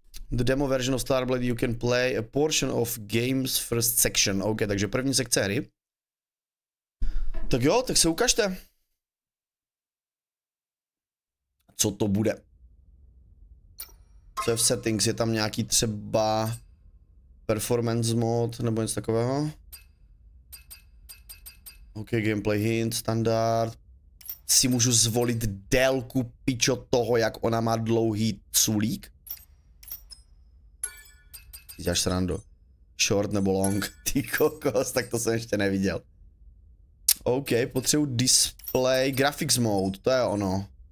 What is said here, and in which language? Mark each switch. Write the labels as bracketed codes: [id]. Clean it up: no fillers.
[en] The demo version of Stellar Blade, you can play a portion of game's first section, OK, [cs] takže první sekce hry. Tak jo, tak se ukažte. Co to bude? Co je v settings? Je tam nějaký třeba performance mod nebo něco takového? OK, gameplay hint, standard. Si můžu zvolit délku pičo toho, jak ona má dlouhý culík? Vidíš srandu. Short nebo long? Ty kokos, tak to jsem ještě neviděl. OK, potřebuji display graphics mode, to je ono.